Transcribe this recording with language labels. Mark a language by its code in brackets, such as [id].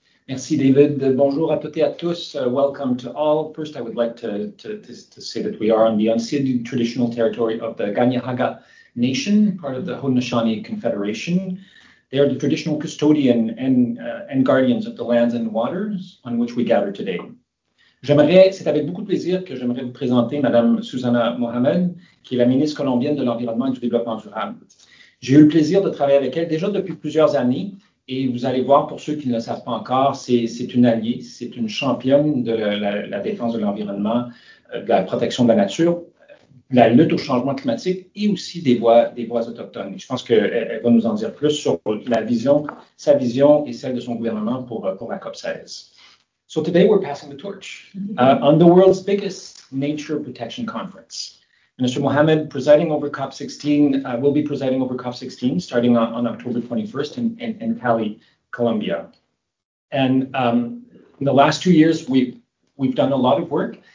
[fr] Merci, David. Bonjour à toutes et à tous. [en] Welcome to all. First, I would like to say that we are on the unceded traditional territory of the Ganyahaga Nation, part of the Haudenosaunee Confederation. They are the traditional custodian and guardians of the lands and waters on which we gather today. [fr] C'est avec beaucoup de plaisir que j'aimerais vous présenter Madame Susana Mohamed, qui est la ministre colombienne de l'Environnement et du Développement durable. J'ai eu le plaisir de travailler avec elle déjà depuis plusieurs années, et vous allez voir, pour ceux qui ne le savent pas encore, c'est une alliée, c'est une championne de la défense de l'environnement, de la protection de la nature, la lutte au changement climatique et aussi des voix autochtones. Je pense qu'elle va nous en dire plus sur la vision, sa vision et celle de son gouvernement pour la COP16. [en] So today we're passing the torch on the world's biggest nature protection conference. Minister Mohamed, presiding over COP16, will be presiding over COP16 starting on October 21st in Cali, Colombia. And in the last 2 years, we've done a lot of work.